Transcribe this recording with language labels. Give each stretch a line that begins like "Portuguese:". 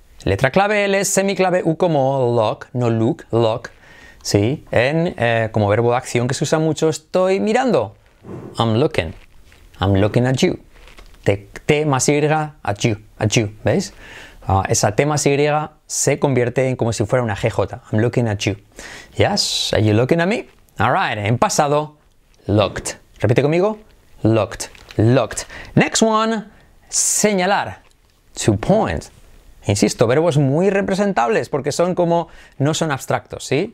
Spanish: Letra clave L, semiclave U como look, no look, look. ¿Sí? En como verbo de acción que se usa mucho, estoy mirando.
English: I'm looking. I'm looking at you.
Spanish: T más Y, at you, ¿veis? Esa T más Y se convierte en como si fuera una GJ.
English: I'm looking at you. Yes, are you looking at me? All right,
Spanish: en pasado,
English: looked.
Spanish: Repite conmigo, looked, looked.
English: Next one, señalar. To point.
Spanish: Insisto, verbos muy representables porque son como, no son abstractos, ¿sí?